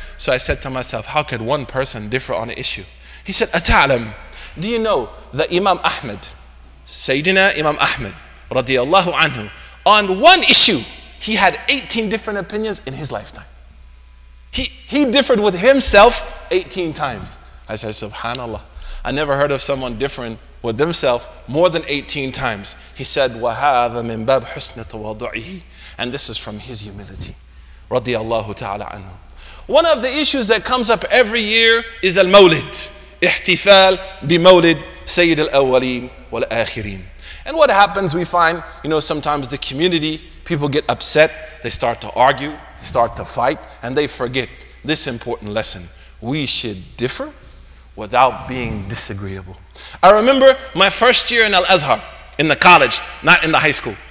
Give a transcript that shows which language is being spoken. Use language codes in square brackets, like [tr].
[en] So I said to myself, how could one person differ on an issue? He said, Ata'alam, do you know that Imam Ahmed, Sayyidina Imam Ahmed, radiallahu anhu, on one issue, he had 18 different opinions in his lifetime. He differed with himself 18 times. I said, Subhanallah. I never heard of someone differing with themselves more than 18 times. He said, [ar] وَهَذَا مِنْ بَابِ حُسْنِ تَوَضُعِهِ. [en] And this is from his humility. [ar] رضي الله تعالى عنه. [en] One of the issues that comes up every year is al-mawlid. [ar] احتفال بمولد سيد الأولين والآخرين. [en] And what happens, we find, you know, sometimes the community, people get upset, they start to argue, start to fight, and they forget this important lesson. We should differ without being disagreeable. I remember my first year in Al-Azhar, in the college, not in the high school.